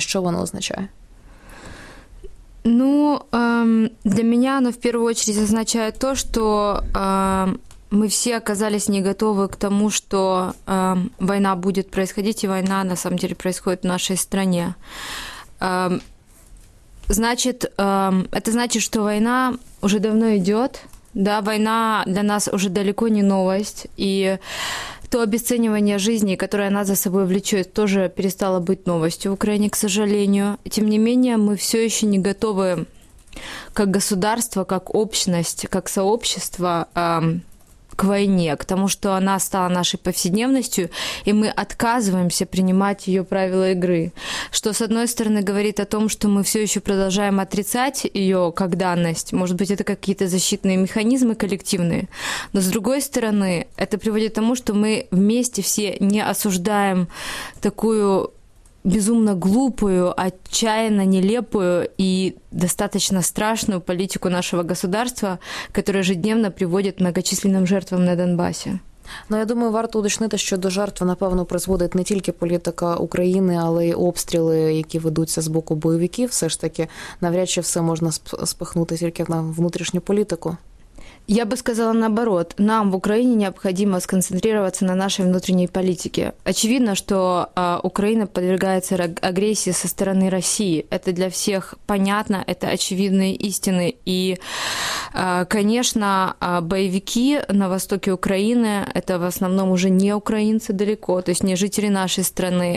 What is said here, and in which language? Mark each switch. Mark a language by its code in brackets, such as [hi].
[uk] Що воно означає? Ну, для мене воно, в першу чергу, означає те, що ми всі оказались не готові к тому, що війна буде відбуватися, і війна, [ru] на самом деле, [uk] відбувається в нашій країні. [ru] Значит, это значит, что война уже давно идет, да, война для нас уже далеко не новость, и то обесценивание жизни, которое она за собой влечет, тоже перестало быть новостью в Украине, к сожалению. Тем не менее, мы все еще не готовы как государство, как общность, как сообщество к войне, к тому, что она стала нашей повседневностью, и мы отказываемся принимать ее правила игры. Что, с одной стороны, говорит о том, что мы все еще продолжаем отрицать ее как данность. Может быть, это какие-то защитные механизмы коллективные. Но, с другой стороны, это приводит к тому, что мы вместе все не осуждаем такую безумно глупую, отчаянно нелепую и достаточно страшную политику нашего государства, которая ежедневно приводит к многочисленным жертвам на Донбассе. [uk] Ну, я думаю, варто уточнити, що до жертв, напевно, призводить не тільки політика України, але й обстріли, які ведуться з боку бойовиків. Все ж таки, навряд чи все можна спихнути тільки на внутрішню політику. [ru] Я бы сказала наоборот. Нам в Украине необходимо сконцентрироваться на нашей внутренней политике. Очевидно, что Украина подвергается агрессии со стороны России. Это для всех понятно, это очевидные истины. И, конечно, боевики на востоке Украины – это в основном уже не украинцы далеко, то есть не жители нашей страны.